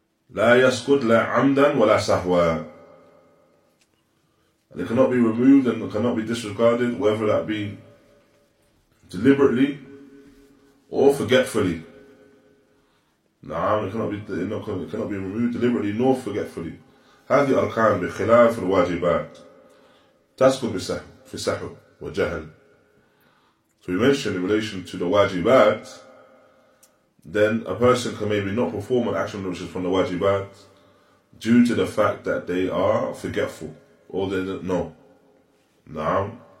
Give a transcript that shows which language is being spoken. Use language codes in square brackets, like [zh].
[ar] لا يسقط لا عمدا ولا سهوا. [en] And it cannot be removed and it cannot be disregarded, whether that be deliberately or forgetfully. Naam, it cannot be removed deliberately nor forgetfully. [ar] هذه أركان بخلاف الواجبات تسقط في سهو وجهل. [en] So we mentioned in relation to the wajibat, then a person can maybe not perform an action which is from the wajibat due to the fact that they are forgetful or they don't know. Naam.